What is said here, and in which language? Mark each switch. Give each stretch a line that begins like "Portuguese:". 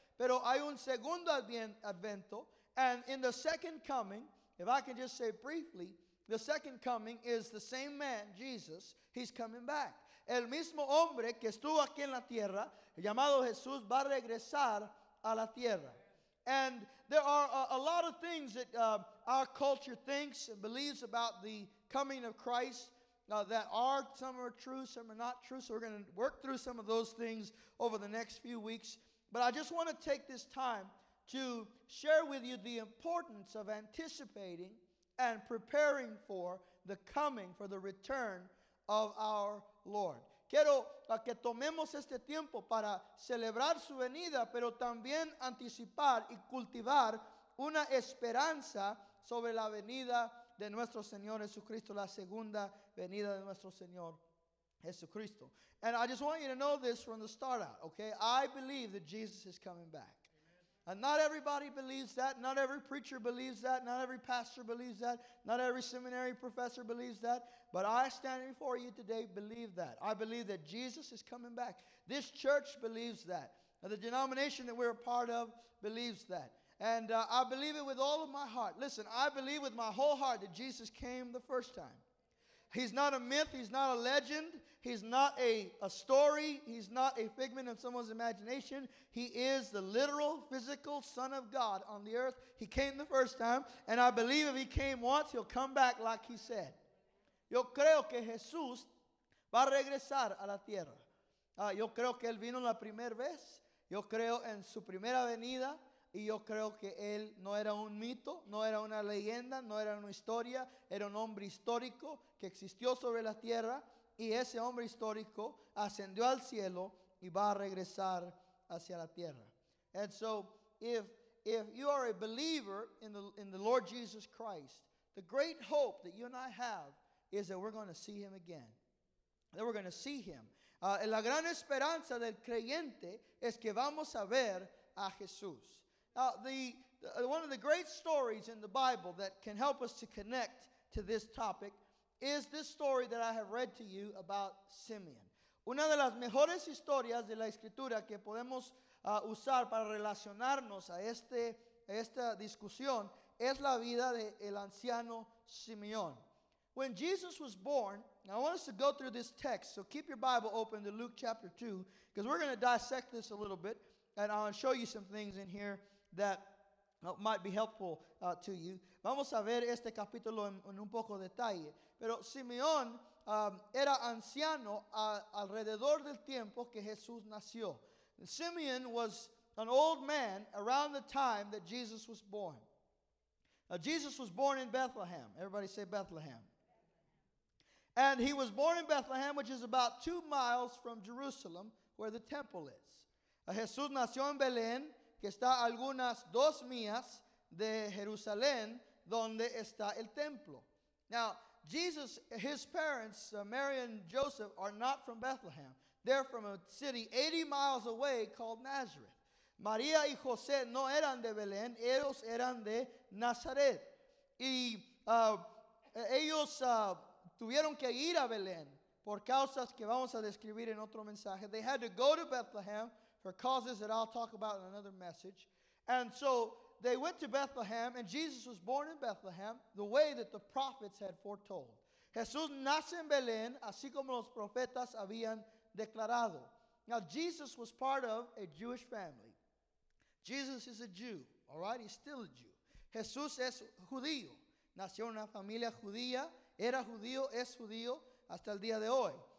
Spanish: Pero hay un segundo advento.
English: And in the second coming, if I can just say briefly, the second coming is the same man, Jesus, he's coming back.
Spanish: El mismo hombre que estuvo aquí en la tierra, llamado Jesús, va a regresar a la tierra.
English: And there are a lot of things that our culture thinks and believes about the coming of Christ that are, some are true, some are not true. So we're going to work through some of those things over the next few weeks. But I just want to take this time to share with you the importance of anticipating and preparing for the coming, for the return of our Lord.
Spanish: Quiero que tomemos este tiempo para celebrar su venida, pero también anticipar y cultivar una esperanza sobre la venida de nuestro Señor Jesucristo, la segunda venida de nuestro Señor Jesucristo.
English: And I just want you to know this from the start out, okay? I believe that Jesus is coming back. Amen. And not everybody believes that. Not every preacher believes that. Not every pastor believes that. Not every seminary professor believes that. But I stand before you today, believe that. I believe that Jesus is coming back. This church believes that. The denomination that we're a part of believes that. And I believe it with all of my heart. Listen, I believe with my whole heart that Jesus came the first time. He's not a myth. He's not a legend. He's not a story. He's not a figment of someone's imagination. He is the literal, physical Son of God on the earth. He came the first time. And I believe if he came once, he'll come back like he said.
Spanish: Yo creo que Jesús va a regresar a la tierra. Yo creo que él vino la primera vez. Yo creo en su primera venida. Y yo creo que él no era un mito, no era una leyenda, no era una historia. Era un hombre histórico que existió sobre la tierra. Y ese hombre histórico ascendió al cielo y va a regresar hacia la tierra.
English: And so, if you are a believer in the Lord Jesus Christ, the great hope that you and I have is that we're going to see him again. That we're going to see him.
Spanish: La gran esperanza del creyente es que vamos a ver a Jesús.
English: Now, the one of the great stories in the Bible that can help us to connect to this topic is this story that I have read to you about Simeon.
Spanish: Una de las mejores historias de la Escritura que podemos usar para relacionarnos a esta discusión es la vida de el anciano Simeón.
English: When Jesus was born, now I want us to go through this text, so keep your Bible open to Luke chapter 2, because we're going to dissect this a little bit, and I'll show you some things in here that might be helpful to you.
Spanish: Vamos a ver este capítulo en un poco de detalle. Pero Simeón era anciano alrededor del tiempo que Jesús nació.
English: And Simeon was an old man around the time that Jesus was born. Now, Jesus was born in Bethlehem. Everybody say Bethlehem. And he was born in Bethlehem, which is about 2 miles from Jerusalem, where the temple is.
Spanish: Jesús nació en Belén, que está algunas 2 millas de Jerusalén, donde está el templo.
English: Now, Jesus, his parents, Mary and Joseph, are not from Bethlehem. They're from a city 80 miles away called Nazareth.
Spanish: María y José no eran de Belén, ellos eran de Nazaret. Y ellos tuvieron que ir a Belén por causas que vamos a describir en otro mensaje.
English: They had to go to Bethlehem for causes that I'll talk about in another message. And so they went to Bethlehem, and Jesus was born in Bethlehem the way that the prophets had foretold.
Spanish: Jesús nace en Belén, así como los profetas habían declarado.
English: Now, Jesus was part of a Jewish family. Jesus is a Jew, all right? He's still a Jew.
Spanish: Jesús es judío. Nació en una familia judía. Era judío, es judío, hasta el día de hoy.